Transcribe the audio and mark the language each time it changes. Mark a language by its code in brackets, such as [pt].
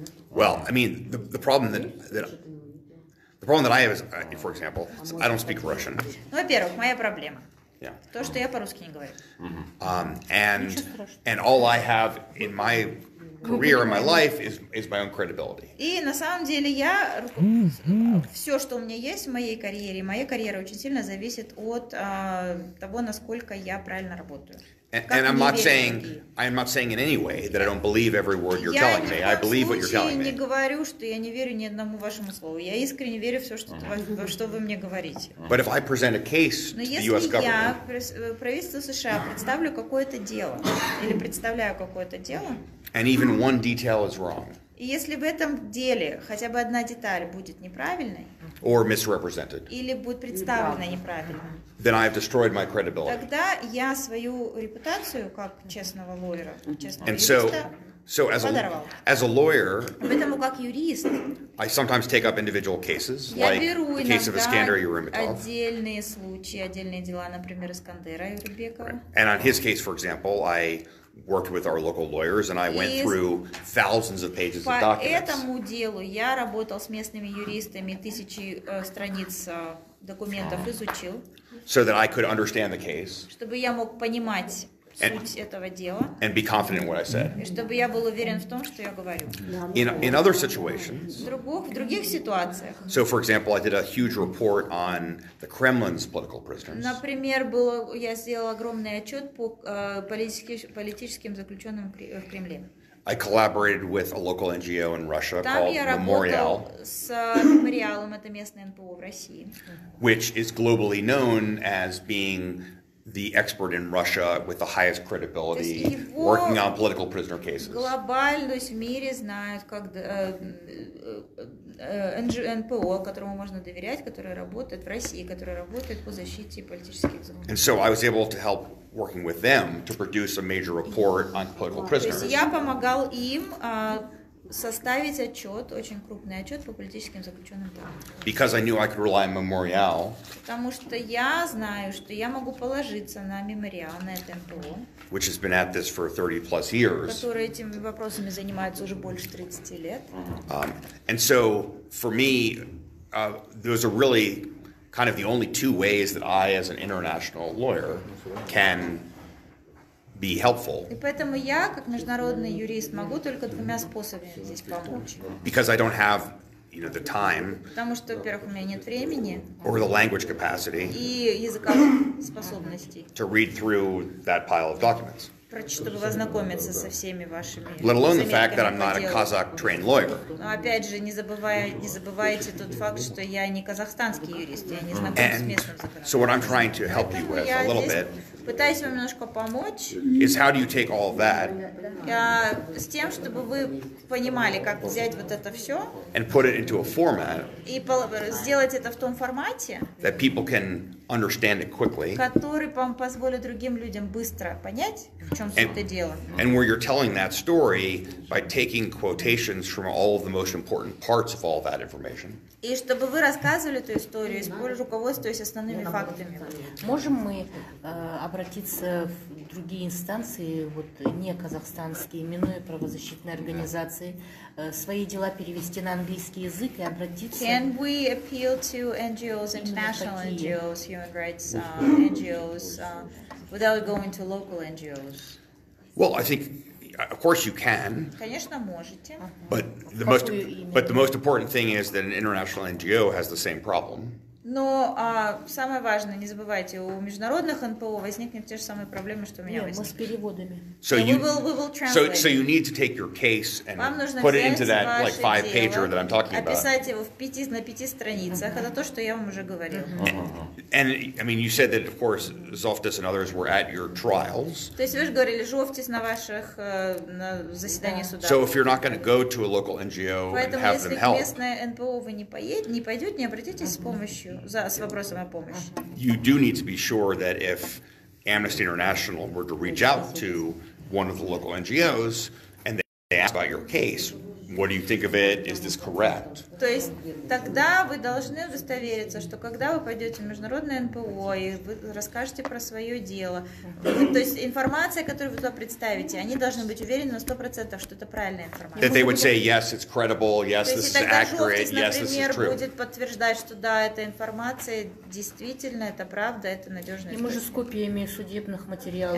[en] Well, I mean, the problem that I have is, for example, I don't speak Russian. [ru] Ну, во-первых, моя проблема. [en] Yeah. [ru] То, что я по-русски не говорю. [en] And all I have in my career, in my life, is my own credibility. [ru] И на самом деле я все, что у меня есть в моей карьере, моя карьера очень сильно зависит от того, насколько я правильно работаю. [en] And I'm not saying in any way that I don't believe every word you're telling me. I believe what you're telling me. [ru] Я не говорю, что я не верю ни одному вашему слову. Я искренне верю все, что вы мне говорите. [en] But if I present a case to the U.S. government, [ru] но если я правительству США представлю какое-то дело или представляю какое-то дело, [en] and even one detail is wrong, [ru] и если в этом деле хотя бы одна деталь будет неправильной, [en] or misrepresented, [ru] или будет представлена неправильно. [en] Then I have destroyed my credibility. [ru] Тогда я свою репутацию как честного лойера, честного [en] and [ru] юриста, [en] so as a lawyer, [ru] поэтому как юрист, [en] I sometimes take up individual cases, [ru] я [en] like [ru] беру [en] the case of Iskander Yurimitov. [ru] Отдельные случаи, отдельные дела, например, Искандера Юрбекова. [en] And on his case, for example, I worked with our local lawyers, and I went through thousands of pages of documents. [ru] По этому делу я работал с местными юристами, тысячи страниц документов изучил. [en] So that I could understand the case. [ru] Чтобы я мог понимать. Суть этого дела. [en] And be confident in what I said. [ru] И чтобы я был уверен в том, что я говорю. [en] In other situations. [ru] В других ситуациях. [en] So, for example, I did a huge report on the Kremlin's political prisoners. [ru] Например, я сделал огромный отчет по политическим заключенным в Кремле. [en] I collaborated with a local NGO in Russia called Memorial. [ru] Там я работал с Мемориалом, это местное НПО в России. [en] Which is globally known as being the expert in Russia with the highest credibility working on political prisoner cases. [ru] Глобально в мире знают как НПО, которому можно доверять, которая работает в России, которая работает по защите политических заключенных. [en] And so I was able to help working with them to produce a major report on political prisoners. [ru] Я помогал им составить отчет, очень крупный отчет по политическим заключенным там. [en] Because I knew I could rely on Memorial. [ru] Потому что я знаю, что я могу положиться на Мемориал, на это НПО. [en] Which has been at this for 30 plus years. [ru] Который этими вопросами занимается уже больше 30 лет. [en] And so, for me, those are really kind of the only two ways that I, as an international lawyer, can be helpful. [ru] И поэтому я, как международный юрист, могу только двумя способами здесь помочь. [en] Because I don't have, you know, the time. [ru] Потому что, во-первых, у меня нет времени. [en] Or the language capacity. [ru] И языковых способностей. [en] To read through that pile of documents. [ru] Чтобы ознакомиться со всеми вашими заметками. [en] Let alone the fact that I'm not a Kazakh-trained lawyer. [ru] Но опять же, не забывайте тот факт, что я не казахстанский юрист, я не знаком с местным законодательством. [en] So what I'm trying to help you with a little bit. [ru] Пытаюсь вам немножко помочь. [en] Is how do you take all that? [ru] С тем, чтобы вы понимали, как взять вот это все. [en] And put it into a format. [ru] И сделать это в том формате. [en] That people can understand it quickly. [ru] Который вам позволит другим людям быстро понять, в чем суть это дело. [en] And where you're telling that story by taking quotations from all of the most important parts of all that information. [ru] И чтобы вы рассказывали эту историю, руководствуясь основными фактами. Можем мы обратиться в другие инстанции, вот не казахстанские, минуя правозащитные организации, свои дела перевести на английский язык и обратиться? [en] Can we appeal to NGOs, international NGOs, human rights NGOs, without going to local NGOs? Well, I think... Of course you can. [ru] Конечно, можете. [en] But the most important thing is that an international NGO has the same problem. [ru] Но самое важное, не забывайте, у международных НПО возникнут те же самые проблемы, что у меня возникли. Мы с переводами. [en] So you will translate. So you need to take your case and put it into that like 5-pager that I'm talking about. [ru] Описать его на пяти страницах. Это то, что я вам уже говорил. [en] And I mean, you said that of course Zoftis and others were at your trials. [ru] То есть вы же говорили, Зофтис на ваших заседаниях суда. [en] So if you're not going to go to a local NGO and have them help. [ru] Поэтому если местное НПО вы не пойдете, не обратитесь с помощью. С вопросом о помощи. [en] You do need to be sure that if Amnesty International were to reach out to one of the local NGOs and they ask about your case, what do you think of it? Is this correct? [ru] То есть тогда вы должны удостовериться, что когда вы пойдете в международное НПО и вы расскажете про свое дело, то есть информация, которую вы туда представите, они должны быть уверены на 100%, что это правильная информация. [en] That they would say, yes, it's credible, yes, this is accurate, yes, this is true. [ru] Например, будет подтверждать, что да, эта информация действительно, это правда, это надежная информация. И мы же с копиями судебных материалов.